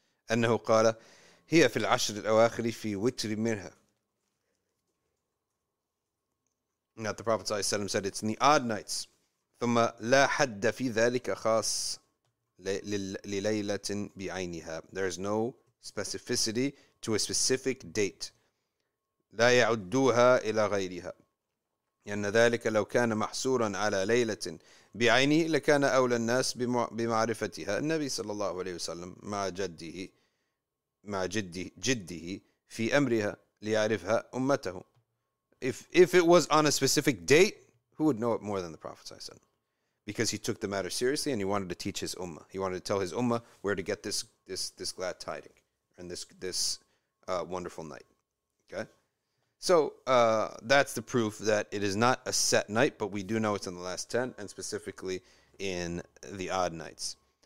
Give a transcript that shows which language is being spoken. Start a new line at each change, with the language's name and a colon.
Arabic: أنه قال هي في العشر الأواخر في وتر منها.
English: Now the Prophet ﷺ said it's in the odd nights.
Arabic: ثم لا حد في ذلك خاص لليلة بعينها.
English: There is no specificity to a specific date.
Arabic: لا يعدوها إلى غيرها. لأن ذلك لو كان محصورا على ليلة بعينه لكان أولى الناس بمعرفتها النبي صلى الله عليه وسلم مع جده مع جده في أمرها ليعرفها أمته.
English: If it was on a specific date, who would know it more than the Prophet ﷺ? Because he took the matter seriously and he wanted to teach his ummah. He wanted to tell his ummah where to get this glad tiding and this wonderful night. Okay? So that's the proof that it is not a set night, but we do know it's in the last 10, and specifically in the odd nights.